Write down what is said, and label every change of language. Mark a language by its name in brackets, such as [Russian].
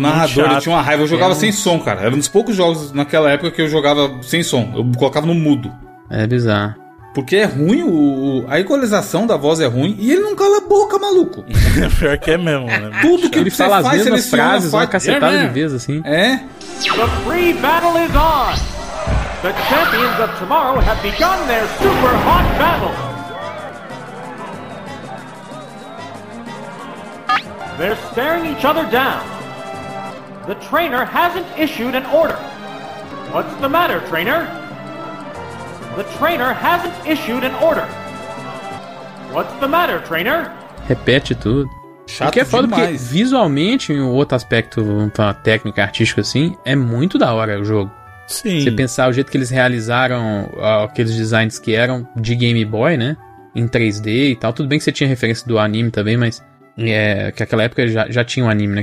[Portuguese] narrador, ele tinha uma raiva. Eu jogava sem som, cara. Era um dos poucos jogos naquela época que eu jogava sem som. Eu colocava no mudo. É bizarro. Porque é ruim, a equalização da voz é ruim e ele não cala a boca, maluco. Pior que é mesmo, né? Tudo que ele fala faz, as mesmas frases, uma cacetada de vez, assim. [English] É. The free battle is on. The champions of tomorrow have begun their super hot battle. They're staring each other down. The trainer hasn't issued an order. What's the matter, trainer? The trainer hasn't issued an order. What's the matter, trainer? [Portuguese] Repete tudo. Chato, o que é foda, demais. Porque visualmente, em outro aspecto, pra técnica artística assim, é muito da hora o jogo. Sim. Você pensar o jeito que eles realizaram aqueles designs que eram de Game Boy, né? Em 3D e tal. Tudo bem que você tinha referência do anime também, mas é, que naquela época já tinha um anime, né?